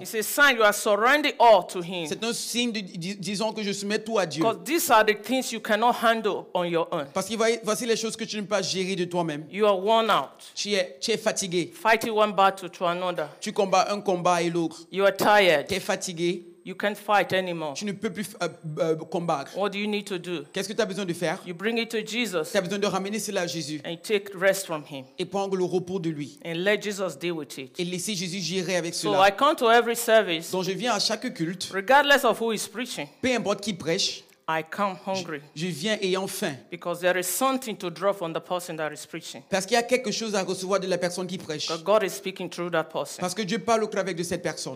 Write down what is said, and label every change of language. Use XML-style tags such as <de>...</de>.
<en>It's a sign you are surrendering all to Him.</en> <fr>C'est un signe de disant que je soumets tout à Dieu.</fr> <en>Because these are the things you cannot handle on your own.</en> <fr>Parce que voici les choses que tu ne peux pas gérer de toi-même.</fr> <en>You are worn out.</en> <fr>Tu es fatigué.</fr> <en>Fighting one battle to another.</en> <fr>Tu combats un combat et l'autre.</fr> <en>You are tired.</en> <fr>Tu es fatigué.</fr> <en>You can't fight anymore.</en> <fr>Tu ne peux plus combattre.</fr> <en>What do you need to do?</en> <fr>Qu'est-ce que tu as besoin de faire?</fr> <en>You bring it to Jesus.</en> <fr>Tu as besoin de ramener cela à Jésus.</fr> <en>And take rest from him.</en> <fr>Et prendre le repos de lui.</fr> <en>And let Jesus deal with it.</en> <fr>Et laisser Jésus gérer avec</fr> <en>so</en> <fr>cela.</fr> <en>So I come to every service.</en> <fr>Donc je viens à chaque culte.</fr> <en>Regardless of who is preaching.</en> <fr>Peu importe qui prêche.</fr> <en>I come hungry.</en> <fr>Je viens ayant faim.</fr> <en>Because there is something to draw from the person that is preaching.</en> <fr>Parce qu'il y a quelque chose à recevoir de la personne qui prêche.</fr> <en>Because God is speaking through that person.</en> <fr>Parce que Dieu parle au travers de cette personne.</fr>